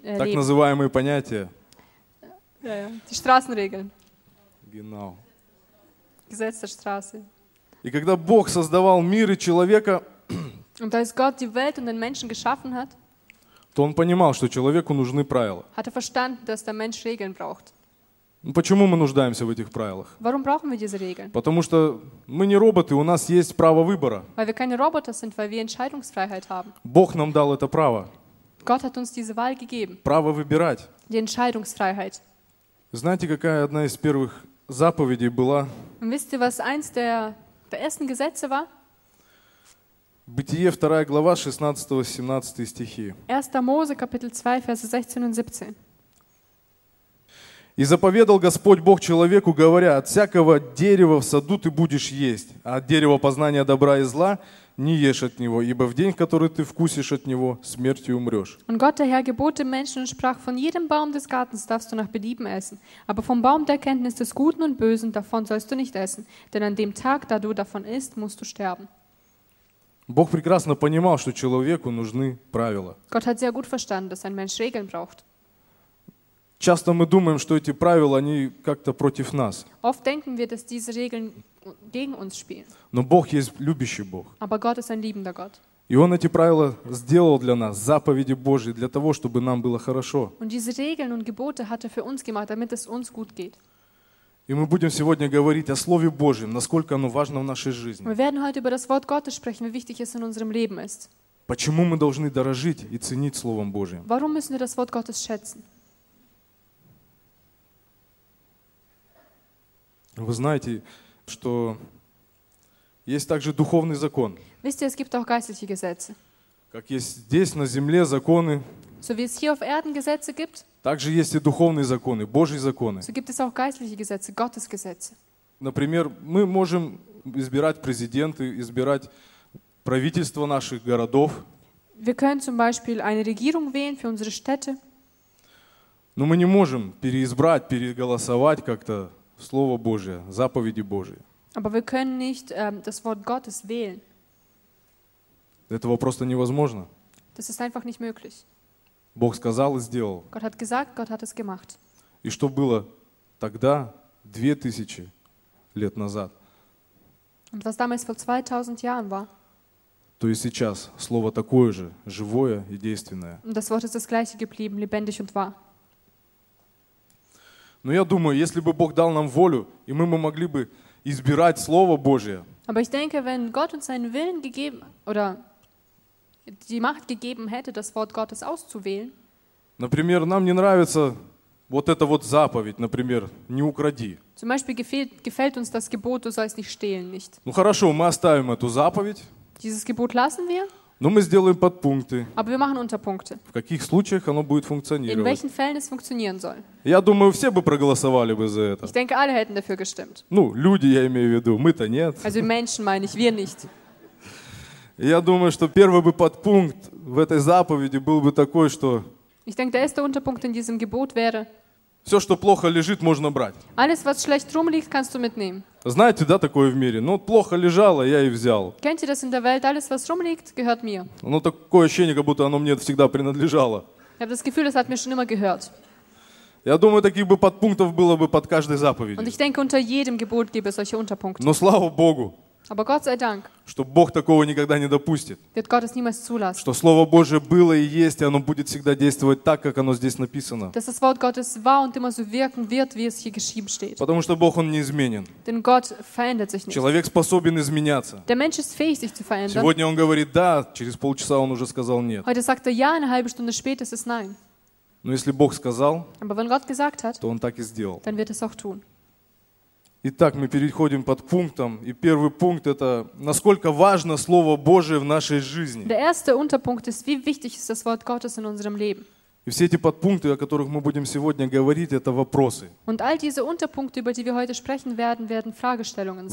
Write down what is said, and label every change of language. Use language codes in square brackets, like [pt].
[ru] Так называемые понятия. [de] Ja, ja. Die Straßenregeln. Genau. Gesetz der Straße. [ru] И когда Бог создавал мир и человека, [de] und als Gott die Welt und den Menschen geschaffen hat, [ru] то он понимал, что человеку нужны правила. [de] Hat er verstanden, dass der Mensch Regeln braucht. [ru] Почему мы нуждаемся в этих правилах? [de] Warum brauchen wir diese Regeln? [ru] Потому что мы не роботы, у нас есть право выбора. [de] Weil wir keine Roboter sind, weil wir Entscheidungsfreiheit haben. [ru] Бог нам дал это право. [de] Gott hat uns diese Wahl gegeben. [ru] Право выбирать. [de] Die Entscheidungsfreiheit. [ru] Знаете, какая одна из первых заповедей была? [de] Und wisst ihr, was eins der ersten Gesetze war? [ru] Бытие, 2 глава, 16-17 стихи. [de] 1 Mose, Kapitel 2, Verse 16 und 17. [ru] «И заповедал Господь Бог человеку, говоря, от всякого дерева в саду ты будешь есть, а от дерева познания добра и зла не ешь от него, ибо в день, который ты вкусишь от него, смертью умрешь». [de] Und Gott, der Herr, gebot dem Menschen und sprach, von jedem Baum des Gartens darfst du nach Belieben essen, aber vom Baum der Kenntnis des Guten und Bösen davon sollst du nicht essen, denn an dem Tag, da du davon isst, musst du sterben. [ru] Бог прекрасно понимал, что человеку нужны правила. [de] Gott hat sehr gut verstanden, dass ein Mensch Regeln braucht. [ru] Часто мы думаем, что эти правила, они как-то против нас. [de] Oft denken wir, dass diese Regeln gegen uns spielen. [ru] Но Бог есть любящий Бог. [de] Aber Gott ist ein liebender Gott. [ru] И Он эти правила сделал для нас, заповеди Божьи, для того, чтобы нам было хорошо. [de] Und diese Regeln und Gebote hat er für uns gemacht, damit es uns gut geht. [ru] И мы будем сегодня говорить о Слове Божьем, насколько оно важно в нашей жизни. [de] Wir werden heute über das Wort Gottes sprechen, wie wichtig es in unserem Leben ist. [ru] Почему мы должны дорожить и ценить Словом Божьим? [de] Warum müssen wir das Wort Gottes schätzen? [ru] Вы знаете, что есть также духовный закон. [de] Wisst ihr, es gibt auch geistliche Gesetze. [ru] Как есть здесь на земле законы. [de] So wie es hier auf Erden Gesetze gibt. [ru] Также есть и духовные законы, Божьи законы. [de] So gibt es auch geistliche Gesetze, Gottes Gesetze. [ru] Например, мы можем избирать президента, избирать правительство наших городов. [de] Wir können zum Beispiel eine Regierung wählen für unsere Städte. [ru] Но мы не можем переизбрать, переголосовать как-то Слово Божие, заповеди Божие. [de] Aber wir können nicht das Wort Gottes wählen. [ru] Этого просто невозможно. [de] Das ist einfach nicht möglich. [ru] Бог сказал и сделал. [de] Gott hat gesagt, Gott hat es gemacht. [ru] И что было тогда, 2000 лет назад? [de] Und was damals vor 2000 Jahren war? [ru] то и сейчас слово такое же, живое и действенное. [de] Das Wort ist das gleiche geblieben, lebendig und wahr. [ru] Но я думаю, если бы Бог дал нам волю, и мы могли бы избирать Слово Божие. [de] Aber ich denke, wenn Gott uns seinen Willen gegeben oder die Macht gegeben hätte, das Wort Gottes auszuwählen. [ru] Например, нам не нравится вот эта вот заповедь, например, не укради. [de] Zum Beispiel gefällt uns das Gebot, du sollst nicht stehlen, nicht. [ru] Ну хорошо, мы оставим эту заповедь. [de] Dieses Gebot lassen wir. [ru] Но мы сделаем подпункты. [de] Aber wir machen Unterpunkte. [ru] В каких случаях оно будет функционировать? [de] In welchen Fällen es funktionieren soll? [ru] Я думаю, все бы проголосовали бы за это. [de] Ich denke, alle hätten dafür gestimmt. [ru] Ну, люди, я имею в виду, мы-то нет. [de] Also Menschen meine ich, wir nicht. [ru] Я думаю, что первый бы подпункт в этой заповеди был бы такой, что [de] Ich denke, der erste Unterpunkt in diesem Gebot wäre [ru] Все, что плохо лежит, можно брать. [de] Alles, was schlecht rumliegt, kannst du mitnehmen. [ru] Знаете, да, такое в мире? Ну, плохо лежало, я и взял. [de] Kennt ihr das in der Welt? Alles, was rumliegt, gehört mir. [ru] Ну, такое ощущение, как будто оно мне всегда принадлежало. [de] Ich habe das Gefühl, es hat mir schon immer gehört. [ru] Я думаю, таких бы подпунктов было бы под каждой заповедью. [de] Und ich denke, unter jedem Gebot gäbe es solche Unterpunkte. [ru] Но слава Богу, [de] Aber Gott sei Dank, [ru] что Бог такого никогда не допустит. [de] Wird Gott es niemals zulassen. [ru] Что Слово Божие было и есть, и оно будет всегда действовать так, как оно здесь написано. [de] Dass das Wort Gottes war und immer so wirken wird, wie es hier geschrieben steht. [ru] Потому что Бог, Он неизменен. [de] Denn Gott verändert sich nicht. [ru] Человек способен изменяться. [de] Der Mensch ist fähig, sich zu verändern. [ru] Сегодня Он говорит «да», через полчаса Он уже сказал «нет». [de] Heute sagt er «ja», eine halbe Stunde später ist es «nein». [ru] Но если Бог сказал, [de] Aber wenn Gott gesagt hat, [ru] то Он так и сделал. [de] Dann wird es auch tun. [ru] Итак, мы переходим под пунктом, и первый пункт – это насколько важно Слово Божие в нашей жизни. [de] Der erste Unterpunkt ist, wie wichtig ist das Wort Gottes in unserem Leben. [ru] И все эти подпункты, о которых мы будем сегодня говорить, это вопросы. [de] Und all diese Unterpunkte, über die wir heute sprechen werden, werden Fragestellungen sein.